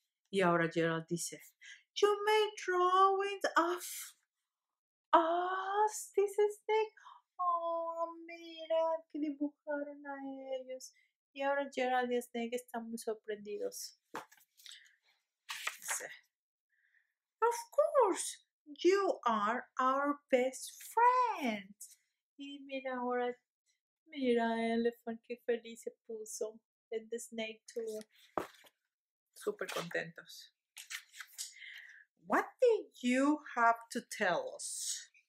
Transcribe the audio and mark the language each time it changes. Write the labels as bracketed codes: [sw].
[es] Y ahora Gerald dice, [en] you made drawings of us, this is Nick. [es] Oh, mira que dibujaron a ellos. Y ahora Gerald y Snake están muy sorprendidos. [en] Dice, of course, you are our best friend. [es] Y mira ahora. Mira, Elefant, qué feliz se puso. [en] And the snake, too. [es] Súper contentos. [en] What did you have to tell us?